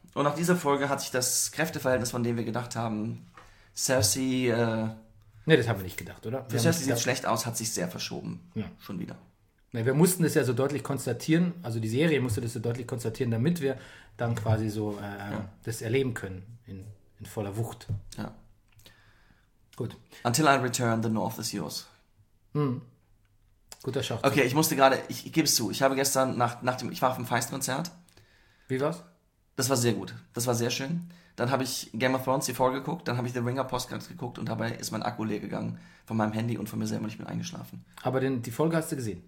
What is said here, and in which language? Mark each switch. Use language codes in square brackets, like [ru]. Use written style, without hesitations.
[de] Und nach dieser Folge hat sich das Kräfteverhältnis, von dem wir gedacht haben, Cersei. Nee, das haben wir nicht gedacht, oder? Für Cersei sieht es schlecht aus, hat sich sehr verschoben. Ja. Schon wieder. Nee, wir mussten das ja so deutlich konstatieren, also die Serie musste das so deutlich konstatieren, damit wir dann quasi so das erleben können, in voller Wucht. Ja. Gut. [en] Until I return, the North is yours. [de] Hm. Guter Schacht. Okay, ich musste gerade, ich gebe es zu, ich habe gestern ich war auf dem Feistkonzert. Wie war's? Das war sehr gut, das war sehr schön. Dann habe ich Game of Thrones TV geguckt, dann habe ich The Ringer Podcast geguckt und dabei ist mein Akku leer gegangen von meinem Handy und von mir selber nicht mehr eingeschlafen. Aber die Folge hast du gesehen?